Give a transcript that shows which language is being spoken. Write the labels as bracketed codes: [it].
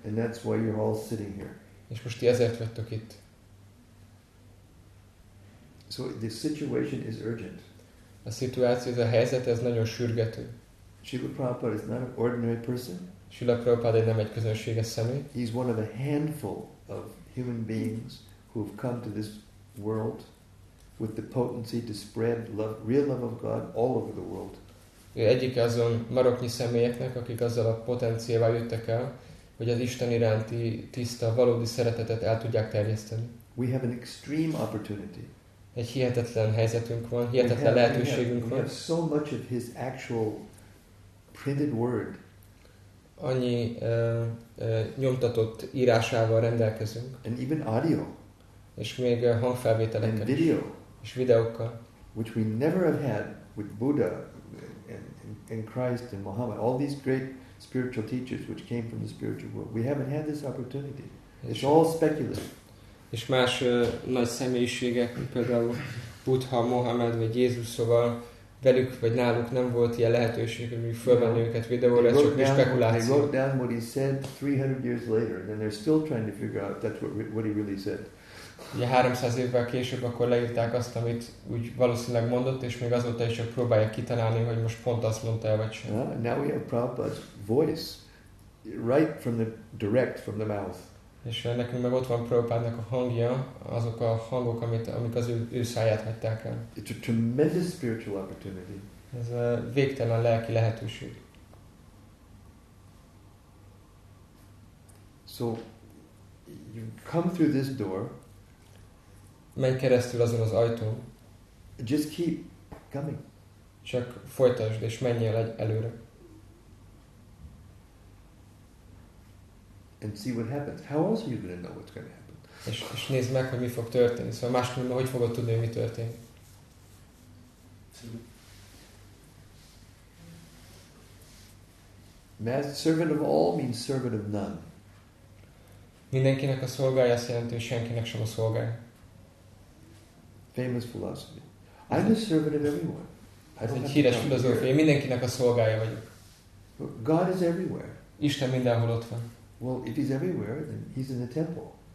[en] And that's why you're all sitting here. [hu] És most ti ezért vettök itt. [en] So the situation is urgent. [hu] A szituáció, ez a helyzet, ez nagyon sürgető. [en] Srila Prabhupada is not an ordinary person. [hu] Srila Prabhupada nem egy közönséges személy. [en] He's one of a handful of human beings who have come to this world with the potency to spread love, real love of God all over the world. [hu] Ő egyik azon maroknyi személyeknek, akik azzal a potenciával jöttek el, hogy az Isten iránti tiszta, valódi szeretetet el tudják terjeszteni. [en] We have an extreme opportunity. [hu] Egy hihetetlen helyzetünk van, hihetetlen lehetőségünk van. [en] We have so much of his actual printed word. [hu] Annyi nyomtatott írásával rendelkezünk. [en] And even audio. [hu] És még hangfelvételeket. [en] And video. [hu] És videókkal. [en] Which we never have had with Buddha and Christ and Muhammad. All these great spiritual teachers which came from the spiritual world. We haven't had this opportunity. It's all speculative. [hu] És más nagy személyiségek, például Buddha, Mohamed vagy Jézus, szóval velük vagy náluk nem volt ilyen lehetőség, hogy fölvenni őket videóra, ez csak spekuláció. [en] They wrote down what he said 300 years later, and then they're still trying to figure out that's what he really said. [hu] Ugye 300 évvel később akkor leírták azt, amit úgy valószínűleg mondott, és még azóta is csak próbálják kitalálni, hogy most pont azt mondta el, vagy sem. [en] Now we have Prabhupada's voice, right from the direct, from the mouth. [hu] És nekünk meg ott van Prabhupádnak a hangja, azok a hangok, amik az ő száját hagyták el. [en] It's a tremendous spiritual opportunity. [hu] Ez a végtelen lelki lehetőség. [en] So, you come through this door. [hu] Menj keresztül azon az ajtón. [en] Just keep coming. [hu] Csak folytasd és menjél előre. [en] And see what happens. How else are you going to know what's going to happen? [hu] És nézd meg, hogy mi fog történni. Szóval másképpen hogy fogod tudni, hogy mi történik? [en] Master, servant of all means servant of none. [hu] Mindenkinek a szolgája azt jelenti, hogy senkinek sem a szolgája. [en] Famous philosophy. I'm a servant of everyone. [hu] Ez egy híres filozófia. Én mindenkinek a szolgája vagyok. [en] But God is everywhere. [hu] Isten mindenhol ott van. [en] Well, if he's everywhere, then he's in the temple.